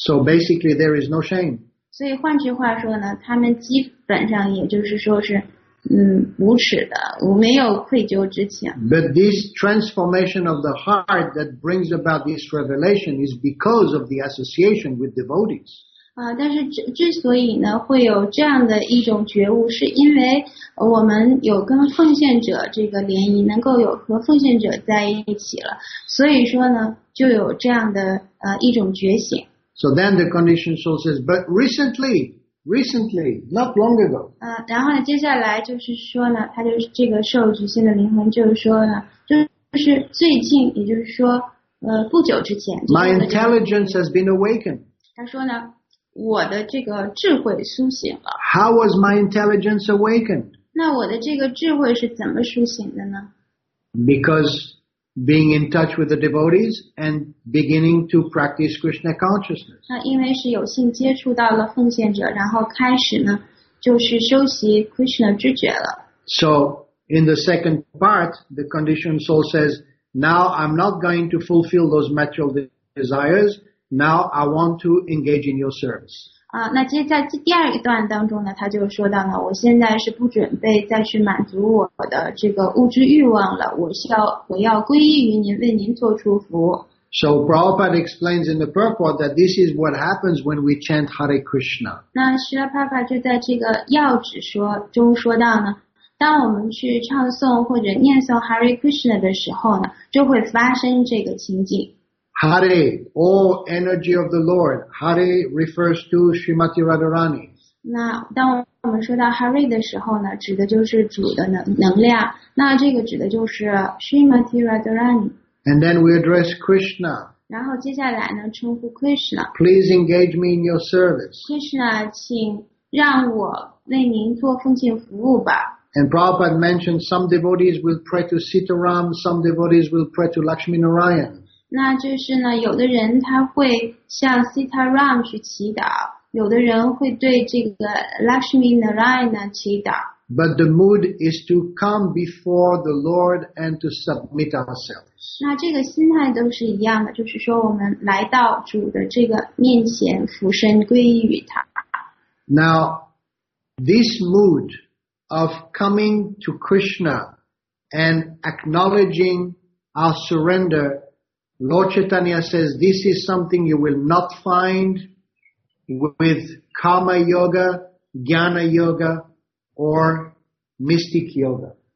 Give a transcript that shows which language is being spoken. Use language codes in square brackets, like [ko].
[en] So basically there is no shame. [zh] 所以换句话说呢，他们基本上也就是说是无耻的，没有愧疚之情。 [en] But this transformation of the heart that brings about this revelation is because of the association with devotees. [zh] 但是之所以呢会有这样的一种觉悟，是因为我们有跟奉献者这个联谊，能够有和奉献者在一起了，所以说呢就有这样的一种觉醒。 [en] So then the conditioned soul says, but recently. Recently, not long ago. [zh] 然后呢，接下来就是说呢，他就是这个受局限的灵魂，就是说呢，就是最近，也就是说，不久之前。 [en] My intelligence has been awakened. [zh] 他说呢，我的这个智慧苏醒了。 [en] How was my intelligence awakened? [zh] 那我的这个智慧是怎么苏醒的呢？ [en] Because being in touch with the devotees and beginning to practice Krishna consciousness. [zh] 那因为是有幸接触到了奉献者，然后开始呢，就是修习 Krishna 知觉了。 [en] So in the second part, the conditioned soul says, now I'm not going to fulfill those material desires. Now I want to engage in your service. [zh] 啊，那其实，在第二段当中呢，他就说到了，我现在是不准备再去满足我的这个物质欲望了，我要皈依于您，为您做出服务。 [en] So Prabhupada explains in the purport that this is what happens when we chant Hare Krishna. [zh] 那释迦牟尼就在这个要旨说中说到呢，当我们去唱诵或者念诵 Hare Krishna 的时候呢，就会发生这个情景。 [en] Hare, all energy of the Lord. Hare refers to Srimati Radharani. [zh] 那当我们说到 Hare 的时候呢，指的就是主的能量。那这个指的就是 Srimati Radharani. [en] And then we address Krishna. [zh] 然后接下来呢，称呼 Krishna. [en] Please engage me in your service. [zh] Krishna, 请让我为您做奉献服务吧。 [en] And Prabhupada mentioned some devotees will pray to Sitaram, some devotees will pray to Lakshmi Narayan. [zh] 那就是呢，有的人他会向 Sitaram 去祈祷，有的人会对这个 Lakshmi Narayana 祈祷。 [en] But the mood is to come before the Lord and to submit ourselves. [zh] 那这个心态都是一样的，就是说我们来到主的这个面前，俯身皈依于他。 [en] Now, this mood of coming to Krishna and acknowledging our surrender. Lord Chaitanya says, this is something you will not find with Karma Yoga, Jnana Yoga, or Mystic Yoga.